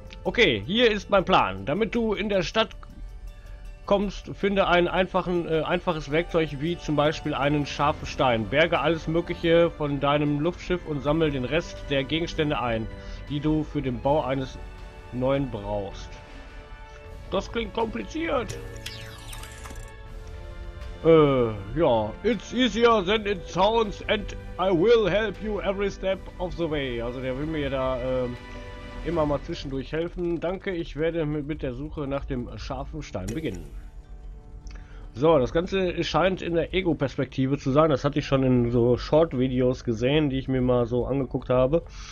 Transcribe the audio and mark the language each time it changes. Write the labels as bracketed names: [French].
[German] Okay, hier ist mein Plan. Damit du in der Stadt kommst, finde ein einfaches Werkzeug wie zum Beispiel einen scharfen Stein. Berge alles Mögliche von deinem Luftschiff und sammle den Rest der Gegenstände ein, die du für den Bau eines neuen brauchst. Das klingt kompliziert. [English] Ja, it's easier than it sounds and I will help you every step of the way. [German] Also der will mir da immer mal zwischendurch helfen. Danke, ich werde mit der Suche nach dem scharfen Stein beginnen. So, das Ganze scheint in der Ego-Perspektive zu sein. Das hatte ich schon in so Short-Videos gesehen, die ich mir mal so angeguckt habe.